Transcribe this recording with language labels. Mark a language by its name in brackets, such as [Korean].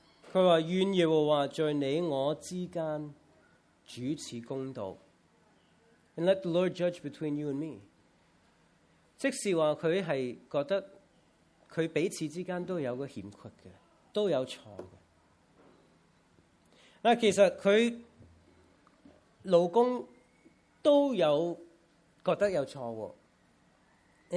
[Chinese] 他说愿耶和华在你我之间主持公道。 [English] And let the Lord judge between you and me. [Chinese] 即是说他是觉得他彼此之间都有个欠缺的，都有错的。那其实他老公都有觉得有错的。